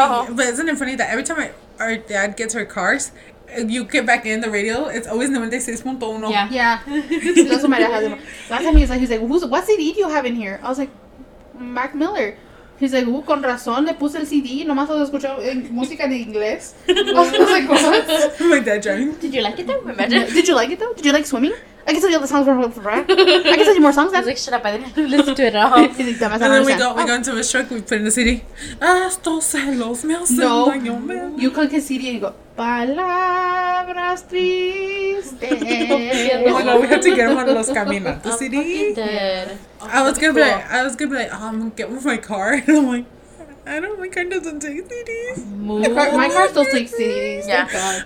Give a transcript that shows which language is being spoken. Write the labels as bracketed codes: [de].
[en] But isn't it funny that every time our dad gets her cars, you get back in the radio, it's always 96.1. Yeah. That's what my dad has. Last time he's like, what CD do you have in here? I was like, Mac Miller. He's like, oh, [es] con razón, le puse el CD, nomás lo escucho en música de inglés. [en] I was like, what? My dad driving. Did you like it though? Imagine. Did you like swimming? I can tell you all the songs from Rap. I can tell you more songs then. He's like, shut up, I didn't listen to it at all. He's like, and then we go into his truck, we put in the CD. [es] Estos celos me hacen daño, man. [en] You click his CD and you go, [es] palabras tristes. [en] Oh my god, we have to get one of Los Caminos. The CD. I was gonna be like, oh, I'm gonna get one for my car. And I'm like, my car doesn't take CDs. My car still takes CDs. Yeah.